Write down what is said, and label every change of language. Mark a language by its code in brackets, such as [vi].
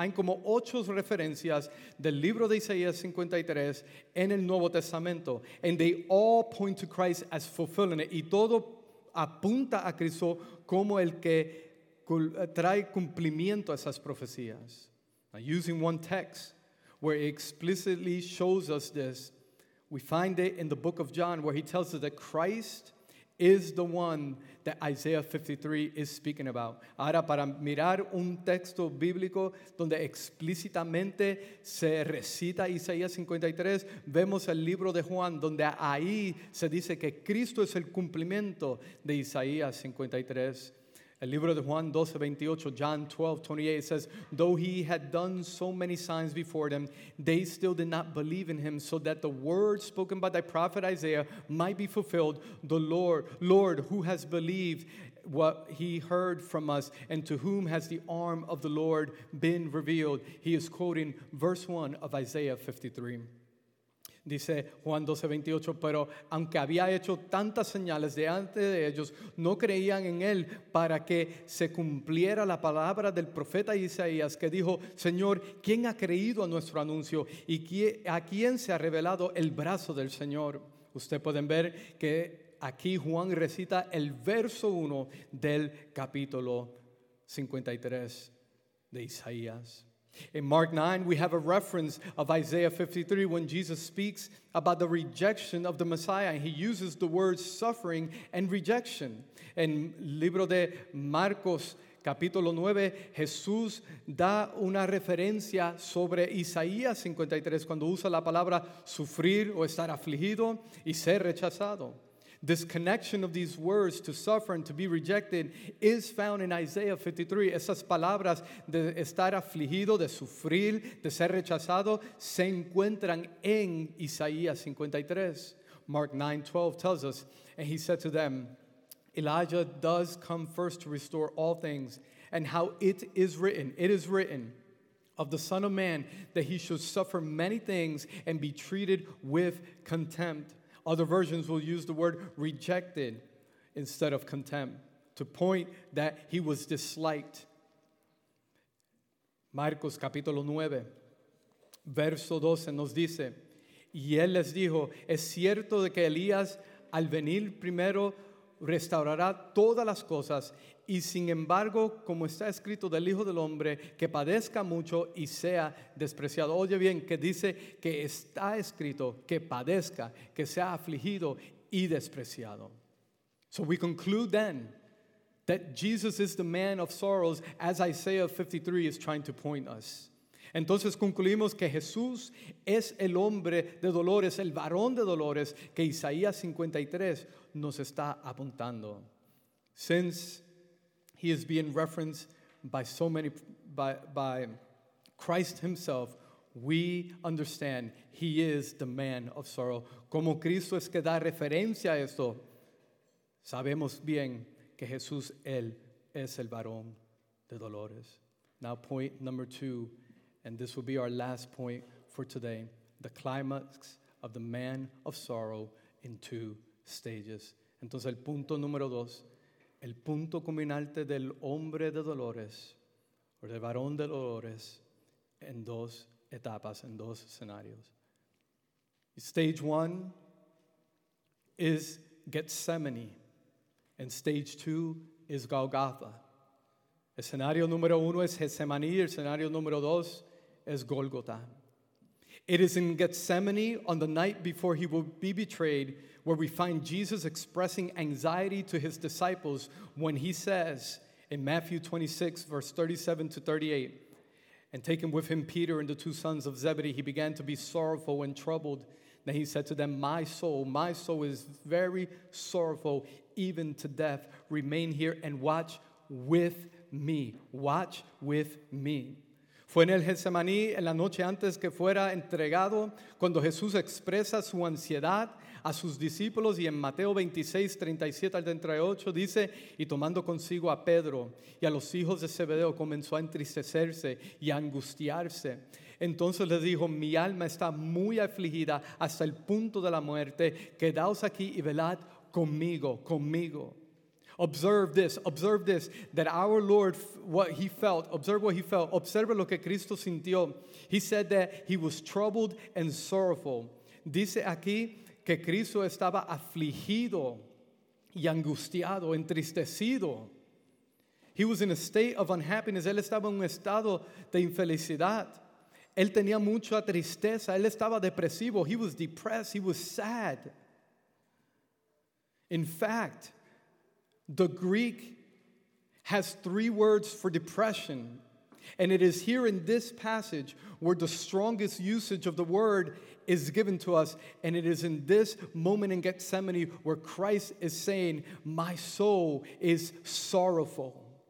[es] Hay como 8 referencias del libro de Isaías 53 en el Nuevo Testamento. [en] And they all point to Christ as fulfilling it. [es] Y todo apunta a Cristo como el que trae cumplimiento a esas profecías. [en] Now, using one text where it explicitly shows us this, we find it in the book of John where he tells us that Christ is the one that Isaiah 53 is speaking about. [es] Ahora, para mirar un texto bíblico donde explícitamente se recita Isaías 53, vemos el libro de Juan, donde ahí se dice que Cristo es el cumplimiento de Isaías 53. El libro de Juan 12:28, [en] John 12:28 says, though he had done so many signs before them, they still did not believe in him, so that the word spoken by the prophet Isaiah might be fulfilled. The Lord, who has believed what he heard from us, and to whom has the arm of the Lord been revealed? He is quoting verse 1 of Isaiah 53. [es] Dice Juan 12:28, pero aunque había hecho tantas señales delante de ellos, no creían en él para que se cumpliera la palabra del profeta Isaías que dijo, Señor, ¿quién ha creído a nuestro anuncio y a quién se ha revelado el brazo del Señor? Usted pueden ver que aquí Juan recita el verso 1 del capítulo 53 de Isaías. [en] In Mark 9, we have a reference of Isaiah 53 when Jesus speaks about the rejection of the Messiah. And he uses the words suffering and rejection. [es] En libro de Marcos, capítulo 9, Jesús da una referencia sobre Isaías 53 cuando usa la palabra sufrir o estar afligido y ser rechazado. [en] This connection of these words to suffer and to be rejected is found in Isaiah 53. [es] Esas palabras de estar afligido, de sufrir, de ser rechazado, se encuentran en Isaías 53. [en] Mark 9:12 tells us, and he said to them, Elijah does come first to restore all things, and how it is written of the Son of Man that he should suffer many things and be treated with contempt. Other versions will use the word rejected instead of contempt to point that he was disliked. [es] Marcos capítulo 9, verso 12 nos dice, y él les dijo, es cierto de que Elías al venir primero restaurará todas las cosas, y sin embargo, como está escrito del Hijo del Hombre, que padezca mucho y sea despreciado. Oye bien, que dice que está escrito que padezca, que sea afligido y despreciado. [en] So we conclude then that Jesus is the man of sorrows, as Isaiah 53 is trying to point us. [es] Entonces concluimos que Jesús es el hombre de dolores, el varón de dolores que Isaías 53 nos está apuntando. [en] Since he is being referenced by so many, by Christ himself, we understand he is the man of sorrow. [es] Como Cristo es que da referencia a esto, sabemos bien que Jesús, él es el varón de dolores. [en] Now point number 2. And this will be our last point for today. The climax of the man of sorrow in two stages. [es] Entonces el punto número dos, el punto culminante del hombre de dolores, o del varón de dolores, en dos etapas, en dos escenarios. [en] Stage one is Gethsemane. And stage two is Golgotha. [es] Escenario número uno es Getsemaní, el escenario número dos es Golgotha. [en] It is in Gethsemane, on the night before he will be betrayed, where we find Jesus expressing anxiety to his disciples when he says in Matthew 26, verse 37 to 38, and taking with him Peter and the two sons of Zebedee, he began to be sorrowful and troubled. Then he said to them, my soul is very sorrowful, even to death. Remain here and watch with me. Watch with me. [es] Fue en el Getsemaní, en la noche antes que fuera entregado, cuando Jesús expresa su ansiedad a sus discípulos, y en Mateo 26, 37 al 38 dice, y tomando consigo a Pedro y a los hijos de Zebedeo, comenzó a entristecerse y a angustiarse. Entonces les dijo, mi alma está muy afligida hasta el punto de la muerte, quedaos aquí y velad conmigo, conmigo. [en] Observe this, that our Lord, what he felt, observe what he felt, [es] observe lo que Cristo sintió. [en] He said that he was troubled and sorrowful. [es] Dice aquí que Cristo estaba afligido y angustiado, entristecido. [en] He was in a state of unhappiness. [es] Él estaba en un estado de infelicidad. Él tenía mucha tristeza. Él estaba depresivo. [en] He was depressed. He was sad. In fact, the Greek has three words for depression, and it is here in this passage where the strongest usage of the word is given to us, and it is in this moment in Gethsemane where Christ is saying, my soul is sorrowful.